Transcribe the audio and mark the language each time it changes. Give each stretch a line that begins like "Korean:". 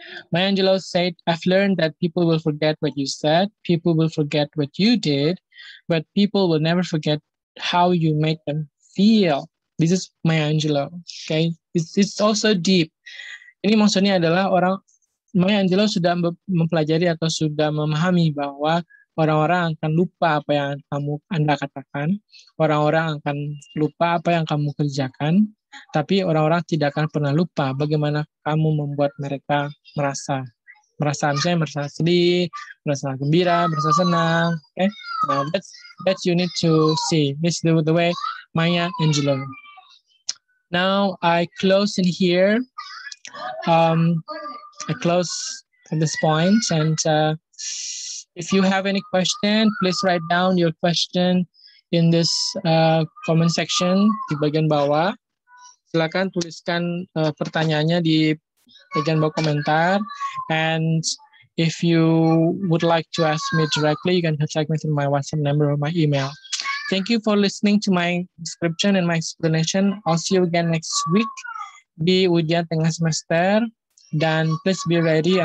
English: Maya Angelou said, "I've learned that people will forget what you said, people will forget what you did, but people will never forget how you make them feel." This is Maya Angelou. Okay, it's also deep.
Indonesian: Ini maksudnya adalah orang Maya Angelou sudah mempelajari atau sudah memahami bahwa orang-orang akan lupa apa yang kamu Anda katakan, orang-orang akan lupa apa yang kamu kerjakan, tapi orang-orang tidak akan pernah lupa bagaimana kamu membuat mereka merasa misalnya merasa sedih, merasa gembira, merasa senang.
English: Okay? Now that you need to see. This is the way Maya Angelou. Now I close in here. I close at this point, and if you have any question, please write down your question in this comment section
Indonesian: di bagian bawah. Silakan tuliskan pertanyaannya di bagian bawah komentar.
English: And if you would like to ask me directly, you can contact me through my WhatsApp number or my email. Thank you for listening to my description and my explanation. I'll see you again next week.
Indonesian: Di ujian tengah semester, dan
English: please be ready.